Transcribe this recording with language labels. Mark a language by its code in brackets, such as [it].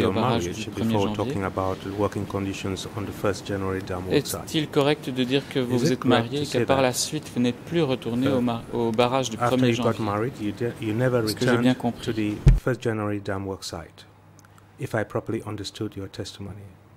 [en] your marriage before talking about the working conditions on the 1st January dam work site. [fr] Est-il correct de dire que vous [en] Is [fr] vous êtes marié et que par la suite vous n'êtes plus retourné au barrage du 1er janvier? [en] After you got married, you never returned to the 1st January dam work site, if I properly understood your testimony.